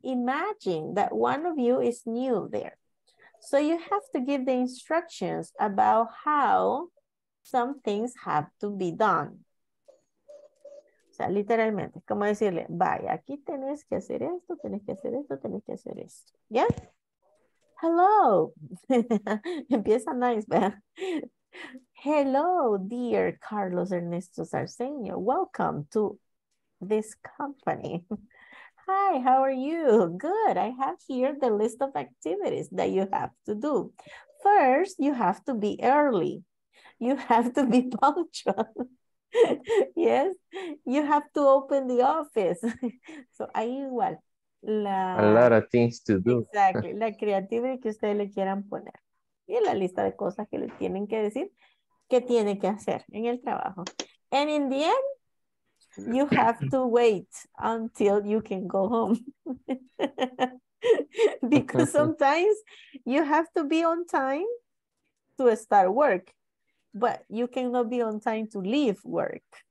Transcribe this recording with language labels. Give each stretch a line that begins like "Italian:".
English: Imagine that one of you is new there. So you have to give the instructions about how some things have to be done.
Spanish: sea, literalmente, es como decirle, vaya, aquí tenés que hacer esto, tenés que hacer esto, tenés que hacer esto. ¿Ya? Hello. Empieza nice, ¿verdad?
English: Hello, dear Carlos Ernesto Sarceño. Welcome to this company. Hi, how are you? Good. I have here the list of activities that you have to do. First, you have to be early. You have to be punctual. Yes. You have to open the office. So,
Spanish: ahí igual.
English: La, a lot of things to do.
Spanish: Exactly. La creatividad que ustedes le quieran poner. Y la lista de cosas que le tienen que decir que tiene que hacer en el trabajo.
English: And in the end, you have to wait until you can go home. Because sometimes you have to be on time to start work, but you cannot be on time to leave work.